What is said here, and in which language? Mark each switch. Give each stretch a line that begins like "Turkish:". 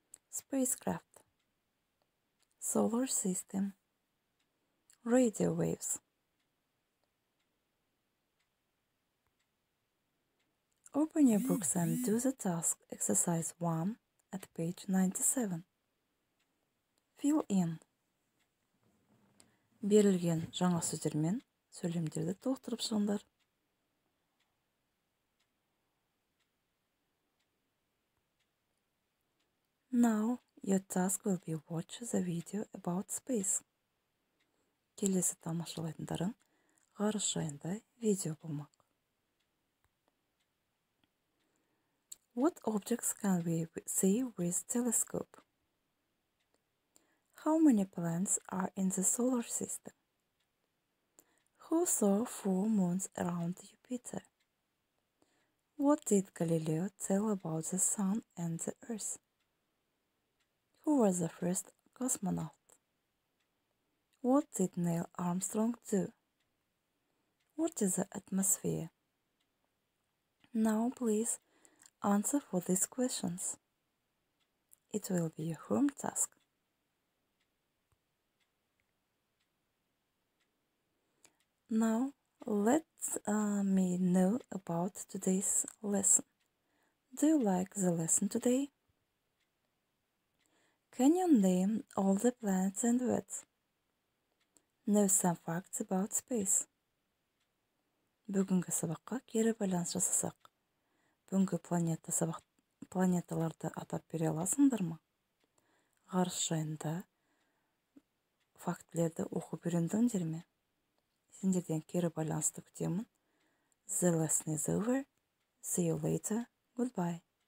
English: Spacecraft. Solar system. Radio waves. Open your books and do the task, exercise 1, at page 97. Fill in.
Kazakh: Берілген жаңа сөздермен сөйлемдерді толықтырып шығыңдар.
English: Now, your task will be watch the video about space.
Kazakh: Келесі тамашалайтындарың ғарыш жайында видео болмақ.
English: What objects can we see with telescope? How many planets are in the solar system? Who saw four moons around Jupiter? What did Galileo tell about the Sun and the Earth? Who was the first cosmonaut? What did Neil Armstrong do? What is the atmosphere? Now, please, answer for these questions. It will be your home task. Now, let me know about today's lesson. Do you like the lesson today? Can you name all the planets and words? Know some facts about space.
Kazakh: Бүгінгі сабаққа кері байланыс жасасақ. Бүгінгі планеталарды атап бере аласыңдар ма? Ғарыш жайында фактілерді оқып үйрендіңдер ме? Сендерден кері байланысты күтемін.
English: The lesson is over. See you later. Goodbye.